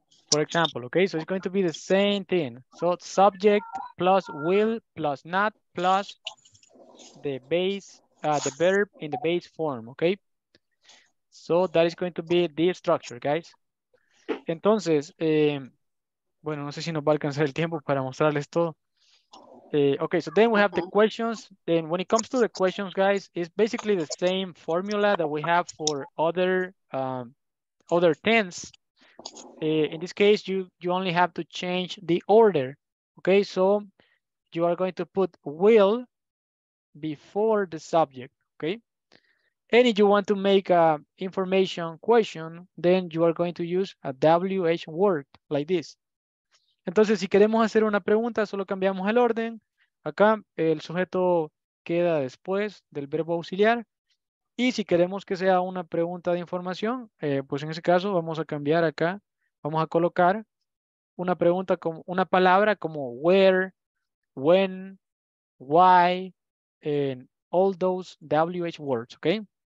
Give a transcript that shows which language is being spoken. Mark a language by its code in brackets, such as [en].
[en] For example, okay, so it's going to be the same thing. So subject plus will plus not plus the base, the verb in the base form, okay? So that is going to be the structure, guys. [es] Entonces, bueno, no sé si nos va a alcanzar el tiempo para mostrarles todo. [en] Okay, so then we have the questions. Then when it comes to the questions, guys, it's basically the same formula that we have for other tense. In this case, you only have to change the order, okay? So you are going to put will before the subject, okay? And if you want to make a information question, then you are going to use a WH word like this. [es] Entonces, si queremos hacer una pregunta, solo cambiamos el orden. Acá el sujeto queda después del verbo auxiliar. Y si queremos que sea una pregunta de información, pues en ese caso vamos a cambiar acá. Vamos a colocar una pregunta con una palabra como [en] where, when, why, and all those WH words, [es] ¿ok?